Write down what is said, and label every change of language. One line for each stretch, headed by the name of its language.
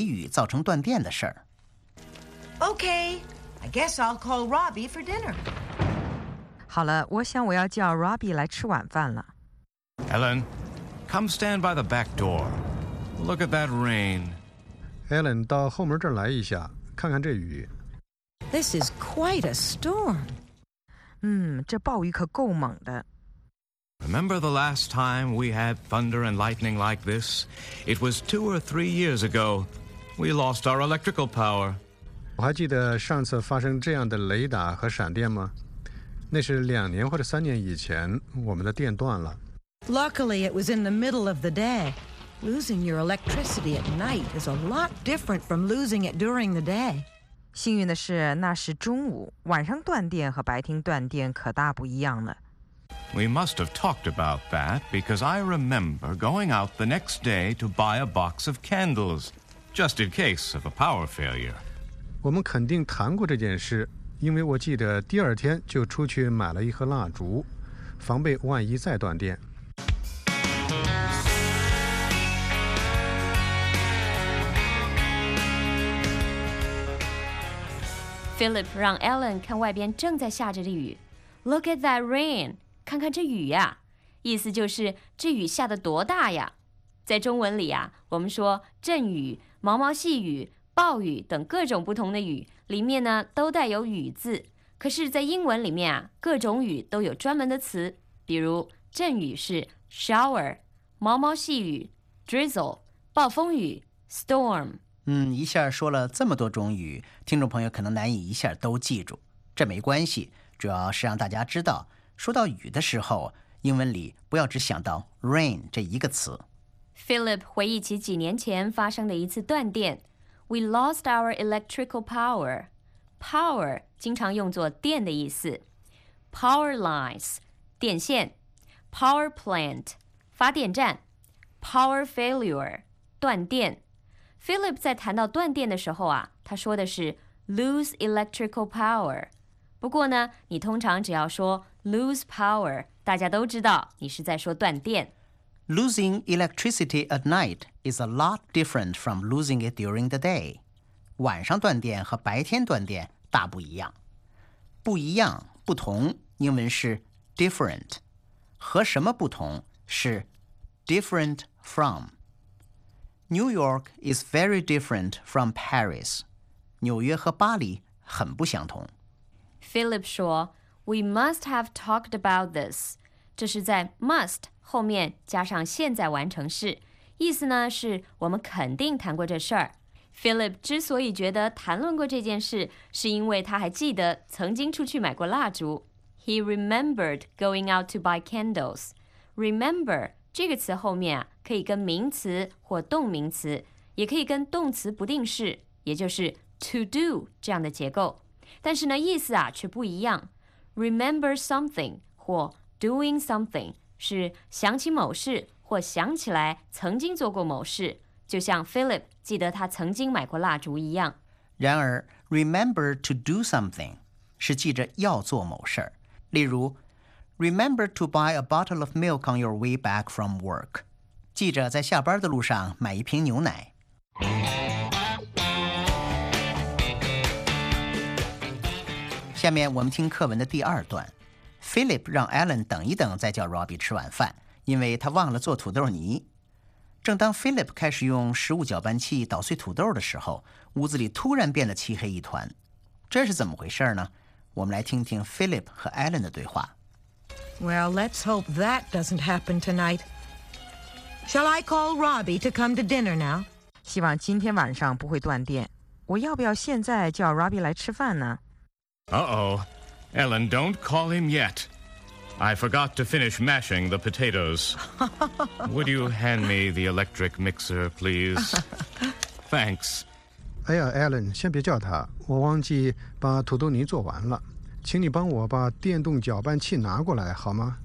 Chinese: 听众朋友，刚才我们听了这一讲课文的英文全文，下面我们分段讲解。第一段说的是，Ellen做好了晚饭，准备叫Robbie来吃饭，但是Philip让Ellen到后门那儿去看看外面雷雨大作的情况。Philip说，这让他想起了两三年前由于雷雨造成断电的事儿。Okay,
English: I guess I'll call Robbie for dinner.
Chinese: 好了，我想我要叫Robbie来吃晚饭了。Ellen,
English: come stand by the back door. Look at that rain.
Chinese: Ellen, 到后门这儿来一下，看看这雨。
English: This is quite a storm.
Chinese: 这暴雨可够猛的。
English: Remember the last time we had thunder and lightning like this? It was 2 or 3 years ago. We lost our electrical power.
Chinese: 我还记得上次发生这样的雷打和闪电吗？那是2年或者3年以前，我们的电断了。
English: Luckily, it was in the middle of the day. Losing your electricity at night is a lot different from losing it during the day.
Chinese: 幸运的是，那是中午，晚上断电和白天断电可大不一样了。
English: We must have talked about that because I remember going out the next day to buy a box of candles, just in case of a power failure.
Chinese: 我们肯定谈过这件事，因为我记得第二天就出去买了一盒蜡烛，防备万一再断电。 Philip 让 Ellen 看外边正在下着的雨。
English: Look at that rain,
Chinese: 看看这雨呀、啊，意思就是这雨下得多大呀。在中文里啊，我们说阵雨、毛毛细雨、暴雨等各种不同的雨，里面呢都带有雨字。可是，在英文里面啊，各种雨都有专门的词，比如阵雨是 shower, 毛毛细雨 drizzle, 暴风雨 storm。一下说了这么多种语，听众朋友可能难以一下都记住。这没关系，主要是让大家知道，说到雨的时候，英文里不要只想到 rain 这一个词。 Philip 回忆起几年前发生的一次断电。
English: We lost our electrical power.
Chinese: Power 经常用作电的意思。
English: Power lines, 电线。 Power plant, 发电站。 Power failure, 断电。
Chinese: Philip 在谈到断电的时候啊，他说的是 lose electrical power。不过呢，你通常只要说 lose power， 大家都知道你是在说断电。
English: Losing electricity at night is a lot different from losing it during the day。
Chinese: 晚上断电和白天断电大不一样。不一样，不同，英文是 different。和什么不同？是 different from。
English: New York is very different from Paris.
Chinese: 纽约和巴黎很不相同。
English: Philip 说 ,We must have talked about this.
Chinese: 这是在 must 后面加上现在完成式。意思呢是我们肯定谈过这事儿。Philip 之所以觉得谈论过这件事是因为他还记得曾经出去买过蜡烛。
English: He remembered going out to buy candles.
Chinese: Remember,这个词后面、可以跟名词或动名词，也可以跟动词不定式，也就是 to do 这样的结构。但是呢，意思啊却不一样。Remember something 或 doing something 是想起某事或想起来曾经做过某事，就像 Philip 记得他曾经买过蜡烛一样。然而 ，remember to do something 是记着要做某事，例如。
English: Remember to buy a bottle of milk on your way back from work.
Chinese: 记着在下班的路上买一瓶牛奶。下面我们听课文的第二段。Philip 让 Ellen 等一等再叫 Robbie 吃晚饭，因为他忘了做土豆泥。正当 Philip 开始用食物搅拌器捣碎土豆的时候，屋子里突然变得漆黑一团。这是怎么回事呢？我们来听听 Philip 和 Ellen 的对话。
English: Well, let's hope that doesn't happen tonight. Shall I call Robbie to come to dinner now?
Chinese: 希望今天晚上不会断电。我要不要现在叫 Robbie 来吃饭呢？
English: Uh-oh. Ellen, don't call him yet. I forgot to finish mashing the potatoes. Would you hand me the electric mixer, please? Thanks.
Chinese: 哎呀 ,Ellen, 先别叫他。我忘记把土豆泥做完了。请你帮我把电动搅拌器拿过来好吗？